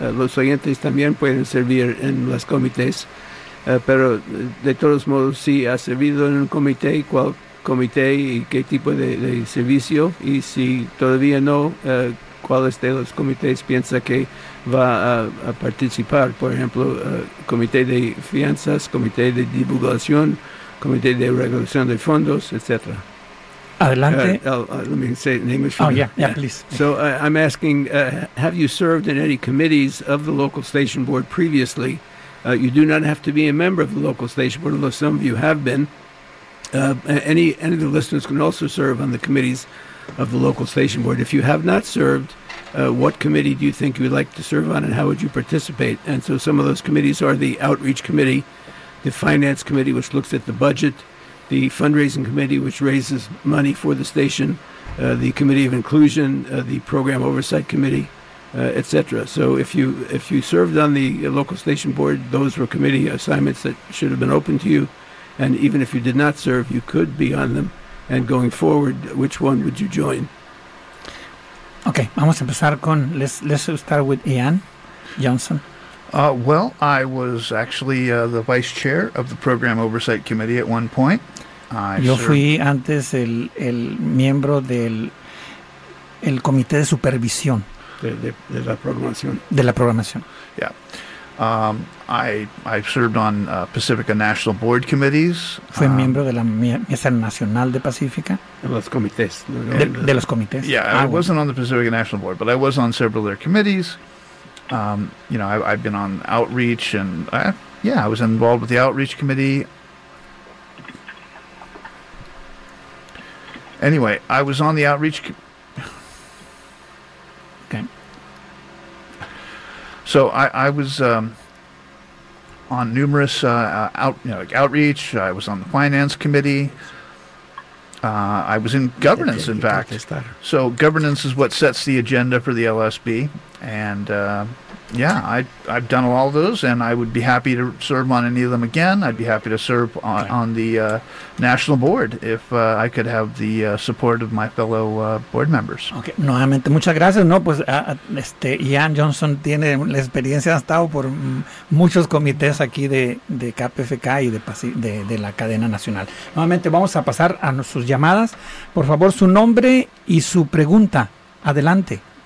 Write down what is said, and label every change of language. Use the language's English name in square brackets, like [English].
[Spanish] Los oyentes también pueden servir en los comités. Pero de todos modos, si ha servido en un comité, ¿cuál comité y qué tipo de servicio? Y si todavía no, ¿cuáles de los comités piensa que va a participar? Por ejemplo, comité de fianzas, comité de divulgación, comité de regulación de fondos, etcétera. Adelante. [English] Let me say in English. Oh, yeah, please. So I'm asking, have you served in any committees of the local station board previously? You do not have to be a member of the local station board, although some of you have been. Any of the listeners can also serve on the committees of the local station board. If you have not served, what committee do you think you would like to serve on, and how would you participate? And so some of those committees are the outreach committee, the finance committee, which looks at the budget, the fundraising committee, which raises money for the station, the committee of inclusion, the program oversight committee, etc. So if you served on the local station board, those were committee assignments that should have been open to you. And even if you did not serve, you could be on them. And going forward, which one would you join? [Spanish] Okay, vamos a empezar con, [English] let's start with Ian Johnson. Well, I was actually the vice chair of the program oversight committee at one point. [Spanish] Fui antes el miembro del el comité de supervisión. De la programación. De la programación. [English] Yeah. I've served on Pacifica National Board Committees. [Spanish] Fue miembro de la Mesa Nacional de Pacifica. Los comités. De los comités. [English] Yeah, I wasn't on the Pacifica National Board, but I was on several of their committees. I've been on outreach, and I was involved with the outreach committee. Anyway, I was on the outreach committee. So I was on numerous outreach. I was on the finance committee. I was in governance, in fact. So governance is what sets the agenda for the LSB. And I've done all of those, and I would be happy to serve on any of them again. I'd be happy to serve on the national board if I could have the support of my fellow board members. [Spanish] Okay, nuevamente, muchas gracias. No, pues Ian Johnson tiene la experiencia, ha estado por muchos comités aquí de KPFK y de la cadena nacional. Nuevamente, vamos a pasar a sus llamadas. Por favor, su nombre y su pregunta. Adelante.